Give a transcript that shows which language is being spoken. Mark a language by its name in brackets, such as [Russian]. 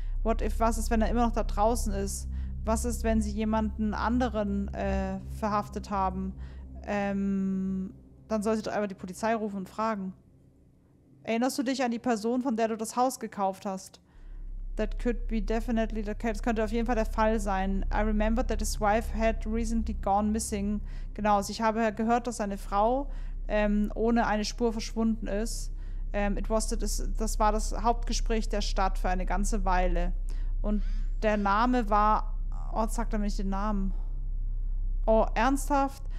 [German] Was ist, wenn er immer noch da draußen ist? Was ist, wenn sie jemanden anderen verhaftet haben? Dann soll sie doch einfach die Polizei rufen und fragen. Erinnerst du dich an die Person, von der du das Haus gekauft hast? Das könnte auf jeden Fall der Fall sein. [English] I remember that his wife had recently gone missing. [German] Genau, also ich habe gehört, dass seine Frau ohne eine Spur verschwunden ist. Das war das Hauptgespräch der Stadt für eine ganze Weile. Und der Name war... Oh, sagt er mir nicht den Namen. Oh, ernsthaft?